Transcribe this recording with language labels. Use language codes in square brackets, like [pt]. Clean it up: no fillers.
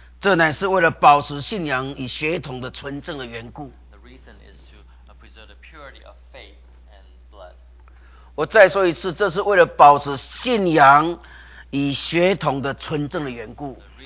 [zh] 这乃是为了保持信仰与血统的纯正的缘故。 [en] The reason is to preserve the purity of faith and blood. [zh] 我再说一次，这是为了保持信仰与血统的纯正的缘故。